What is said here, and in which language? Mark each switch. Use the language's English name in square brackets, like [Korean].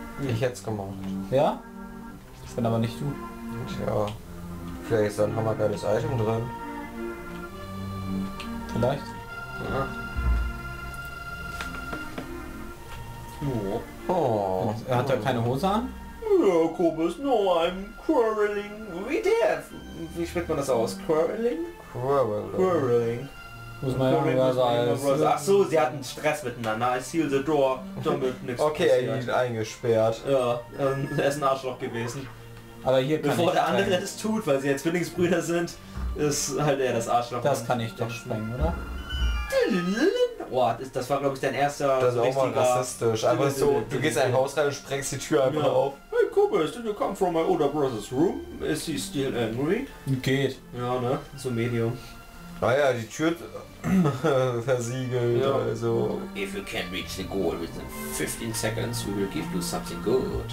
[German] Ich hätte es gemacht. Ja? Ich bin aber nicht du. Tja. Vielleicht ist da ein hammergeiles Item drin. Vielleicht. Ja. Oh. Und er hat da keine Hose an? [English] Ja, Kobus, no, I'm quarreling. [German] Wie spricht man das aus? Quarreling. Muss man ja immer sagen. Ach so, sie hatten Stress miteinander. [English] I seal the door. [German] Damit nichts okay, er ist eingesperrt. Ja, er ist ein Arschloch gewesen. Aber hier bevor der andere das tut, weil sie jetzt Zwillingsbrüder sind, ist halt er das Arschloch. Das kann ich doch sprengen, oder? Boah, das war glaube ich dein erster das auch mal rassistisch. Einfach so, du gehst in ein Haus rein und sprengst die Tür einfach auf. [English] Hey Kobus, did you come from my older brother's room? Is he still angry? [German] Geht. Ja, ne? So medium. Naja, die Tür versiegelt, ja. Also. [English] If you can reach the goal within 15 seconds, we will give you something good.